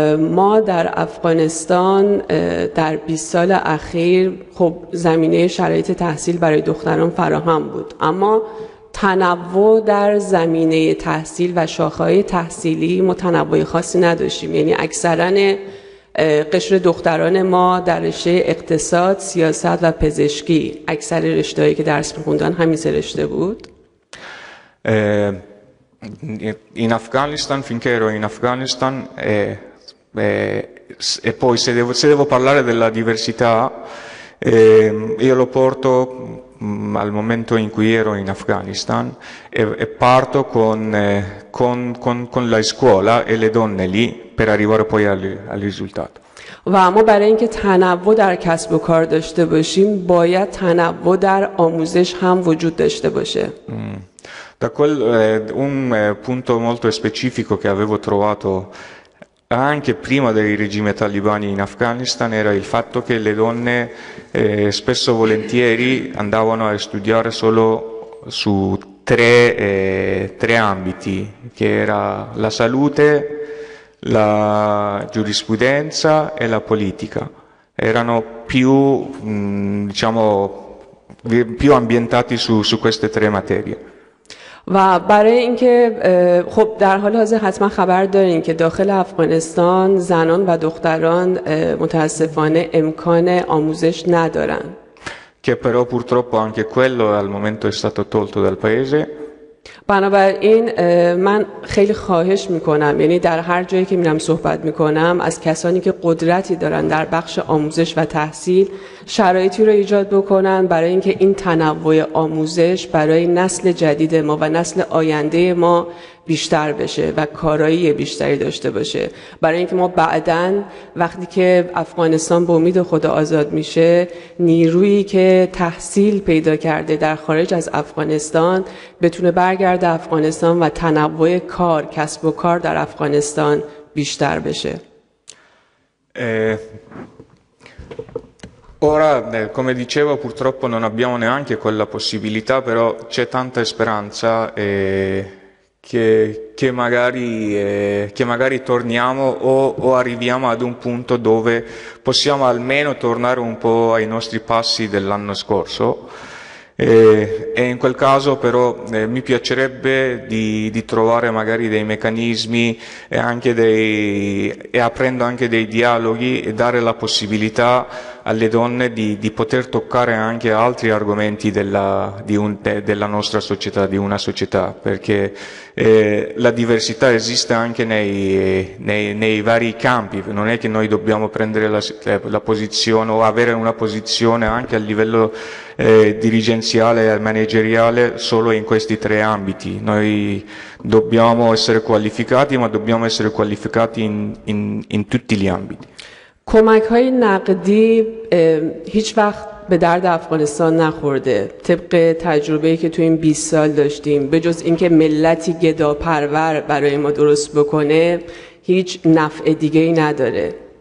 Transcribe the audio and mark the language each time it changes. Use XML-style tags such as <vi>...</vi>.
<fa>ما در افغانستان در 20 سال اخیر خب زمینه شرایط تحصیل برای دختران فراهم بود اما تنوع در زمینه تحصیل و شاخه‌های تحصیلی متنوع خاصی نداشتیم یعنی اکثرا قشر دختران ما در رشته اقتصاد، سیاست و پزشکی اکثر رشته‌هایی که درس می‌خوندن همین سه رشته بود</fa> <it>In Afghanistan, finché ero in Afghanistan, e poi se devo parlare della diversità, io lo porto al momento in cui ero in Afghanistan e parto con la scuola e le donne lì per arrivare poi al risultato.</it> <fa>و اما برای اینکه تنوع در کسب و کار داشته باشیم باید تنوع در آموزش هم وجود داشته باشه.</fa> <it>Da quel un punto molto specifico che avevo trovato anche prima dei regimi talibani in Afghanistan era il fatto che le donne spesso volentieri andavano a studiare solo su tre ambiti, che era la salute, la giurisprudenza e la politica. Erano più, diciamo, più ambientati su queste tre materie.</it> <fa>و برای اینکه خب در حال حاضر حتما خبر دارین که داخل افغانستان زنان و دختران متاسفانه امکان آموزش ندارن</fa> <it>که però purtroppo anche quello al momento è stato tolto dal paese.</it> <fa>بنابراین من خیلی خواهش میکنم یعنی در هر جایی که میرم صحبت میکنم از کسانی که قدرتی دارن در بخش آموزش و تحصیل شرایطی رو ایجاد بکنن برای اینکه این تنوع آموزش برای نسل جدید ما و نسل آینده ما بیشتر بشه و کارایی بیشتری داشته باشه، برای اینکه ما بعداً وقتی که افغانستان به امید خدا آزاد میشه، نیرویی که تحصیل پیدا کرده در خارج از افغانستان بتونه برگرده افغانستان و تنوع کار، کسب و کار در افغانستان بیشتر بشه.</fa> <it>Ora, come dicevo, purtroppo non abbiamo neanche quella possibilità, però c'è tanta speranza che magari torniamo o arriviamo ad un punto dove possiamo almeno tornare un po' ai nostri passi dell'anno scorso. E in quel caso però mi piacerebbe di trovare magari dei meccanismi e aprendo anche dei dialoghi e dare la possibilità alle donne di poter toccare anche altri argomenti della nostra società, di una società, perché la diversità esiste anche nei vari campi, non è che noi dobbiamo prendere la posizione o avere una posizione anche a livello dirigenziale e manageriale solo in questi tre ambiti. Noi dobbiamo essere qualificati, ma dobbiamo essere qualificati in tutti gli ambiti.</it> <fa>کمک های نقدی هیچ وقت به درد افغانستان نخورده، طبق تجربه‌ای که تو این 20 سال داشتیم، به جز اینکه ملتی گداپرور برای ما درست بکنه هیچ نفع دیگه‌ای نداره.</fa>